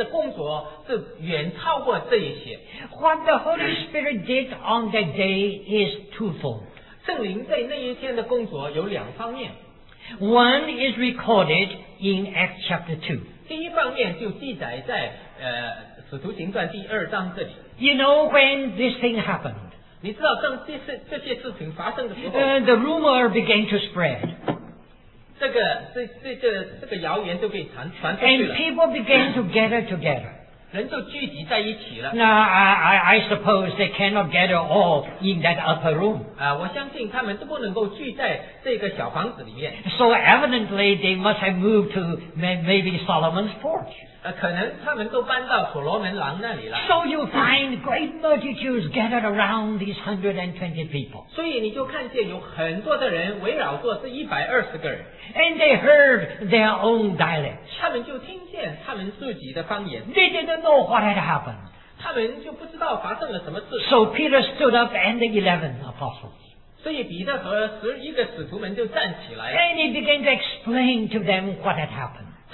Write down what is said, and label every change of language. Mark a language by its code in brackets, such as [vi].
[zh] 你就看见圣灵在五旬节那天的工作是远超过这一些。 [en] What the Holy Spirit did on that day is twofold. [zh] 圣灵在那一天的工作有两方面。 [en] One is recorded in Acts chapter 2. [zh] 第一方面就记载在使徒行传第二章这里。 [en] You know when this thing happened? [zh] 你知道这些事情发生的时候, [en] the rumor began to spread. [zh] 这个谣言就被传出去了。 [en] And people began to gather together. [zh] 人就聚集在一起了。 [en] Now, I suppose they cannot gather all in that upper room. [zh] 我相信他们都不能够聚在这个小房子里面。 [en] So evidently, they must have moved to maybe Solomon's porch. [zh] 可能他们都搬到所罗门廊那里了。 [en] So you find great multitudes gathered around these 120 people. [zh] 所以你就看见有很多的人围绕着这120个人。 [en] And they heard their own dialect. [zh] 他们就听见他们自己的方言。 [en] They didn't know what had happened. [zh] 他们就不知道发生了什么事。 [en] So Peter stood up and the 11 apostles. [zh] 所以彼得和11个使徒们就站起来了。 [en] And he began to explain to them what had happened.